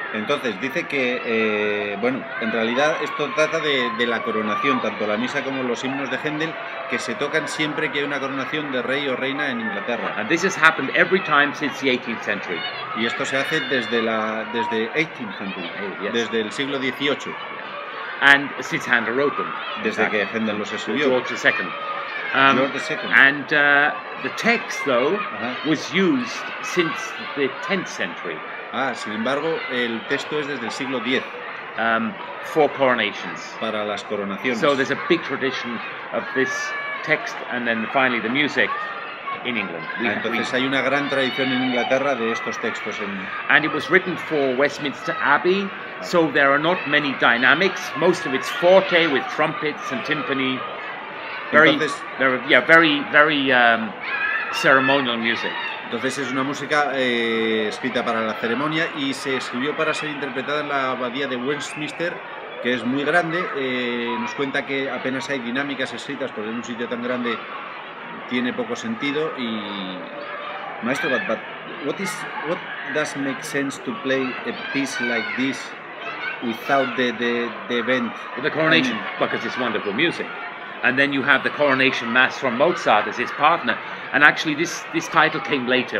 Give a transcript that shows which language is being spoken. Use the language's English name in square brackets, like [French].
[Spanish] Entonces dice que en realidad esto trata de la coronación, tanto la misa como los himnos de Händel, que se tocan siempre que hay una coronación de rey o reina en Inglaterra. [English] And this has happened every time since the 18th century. [Spanish] Y esto se hace desde [English] 18th century, yes. [Spanish] Desde el siglo XVIII. [English] And since Handel wrote them, [Spanish] desde que Händel los escribió. [English] George II. The text, though, was used since the 10th century. [Spanish] Ah, sin embargo, el texto es desde el siglo X. [English] For coronations. [Spanish] Para las coronaciones. [English] So there's a big tradition of this text, and then finally the music in England. [Spanish] Entonces hay una gran tradición en Inglaterra de estos textos. [English] And it was written for Westminster Abbey. So there are not many dynamics. Most of it's forte with trumpets and timpani. Very ceremonial music. [Spanish] Entonces es una música escrita para la ceremonia y se escribió para ser interpretada en la abadía de Westminster, que es muy grande. Nos cuenta que apenas hay dinámicas escritas, porque en un sitio tan grande tiene poco sentido. [English] Y maestro, but what does make sense to play a piece like this without the event, the coronation, because it's wonderful music, and then you have the coronation mass from Mozart as his partner, and actually this title came later.